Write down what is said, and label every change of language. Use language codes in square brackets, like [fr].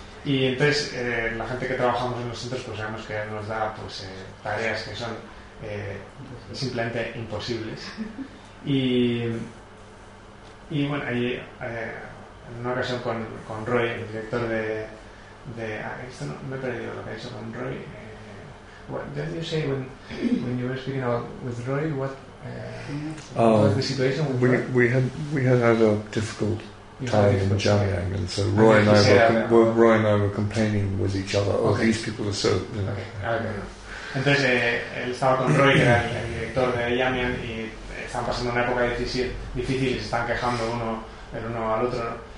[es] Y entonces la gente que trabajamos en los centros, pues sabemos que nos da pues tareas que son simplemente imposibles. Y bueno, ahí en una ocasión con Roy, el director de esto no me he perdido lo que ha dicho con Roy. [en] What did you say when you were speaking about with Roy? What was the situation with Roy? We had a difficult time in Jiangyang, and so Roy and I were complaining with each other. Oh, okay. These people are so. You know. Okay. [es] Entonces él estaba con Roy, que era el director de Jiangyang, y están pasando una época difícil y se están quejando el uno al otro, ¿no?